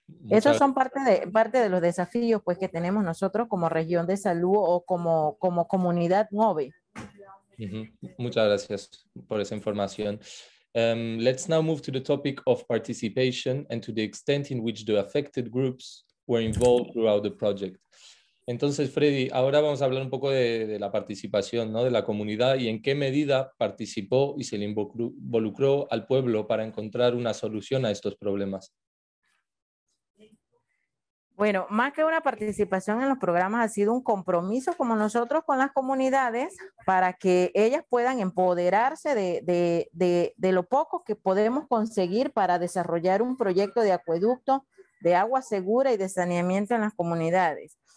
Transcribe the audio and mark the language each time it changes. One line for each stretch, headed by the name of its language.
Spanish: Esos son parte de los desafíos pues, que tenemos nosotros como región de salud o como comunidad Gobe. Muchas gracias por esa información.
English: Let's now move to the topic of participation and to the extent in which the affected groups were involved throughout the project.
Spanish: Entonces, Fredy, ahora vamos a hablar un poco de la participación, ¿no?, de la comunidad y en qué medida participó y se le involucró al pueblo para encontrar una solución a estos problemas. Bueno, más que una participación en los programas, ha sido un compromiso como nosotros con las comunidades para que ellas puedan empoderarse de lo poco que podemos conseguir para desarrollar un proyecto de acueducto, de agua segura y de saneamiento en las comunidades.